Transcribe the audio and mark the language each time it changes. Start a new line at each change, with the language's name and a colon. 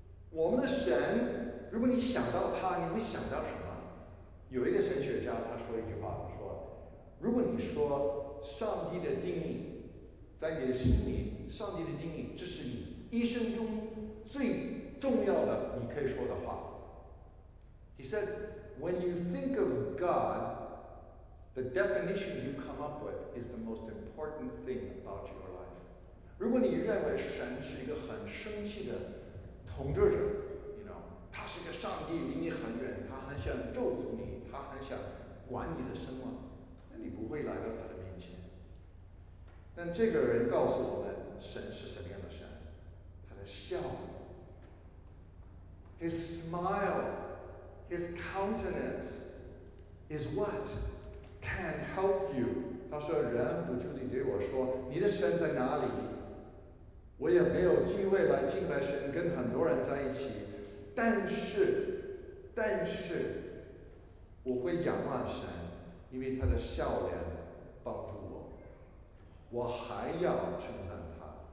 Chinese: 我们的神，如果你想到他，你会想到什么？有一个神学家他说一句话，说如果你说上帝的定义，在你的心里，上帝的定义，这是你一生中最重要的你可以说的话。
English: He said, when you think of God, the definition you come up with is the most important thing about your life.
Chinese: 如果你认为神是一个很生气的统治者，
English: you know,
Chinese: 他是一个上帝离你很远，他很想咒诅你，他很想管你的生活，那你不会来到他的面前。但这个人告诉我们，神是什么样的神？他的笑，
English: His smile,His countenance is what can help you.
Chinese: 他说人不住地对我说你的神在哪里，我也没有机会来敬拜神跟很多人在一起，但是我会仰望神，因为他的笑脸帮助我，我还要称赞他。